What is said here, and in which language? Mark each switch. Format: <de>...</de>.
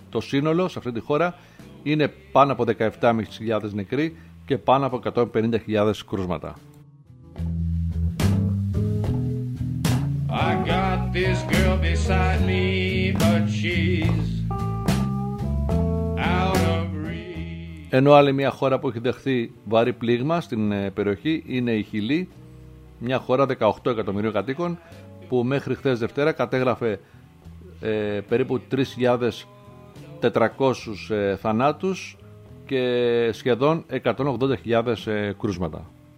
<el>Το σύνολο σε αυτή τη χώρα είναι πάνω από 17.500 νεκροί και πάνω από 150.000 κρούσματα.</el> <en>I got this girl beside me, but she's out of reach.</en> <el>Ενώ άλλη μια χώρα που έχει δεχθεί βαρύ πλήγμα στην περιοχή είναι η Χιλή, μια χώρα 18 εκατομμυρίων κατοίκων, που μέχρι χθες Δευτέρα κατέγραφε περίπου 3.400 θανάτους και σχεδόν 180.000 κρούσματα.</el>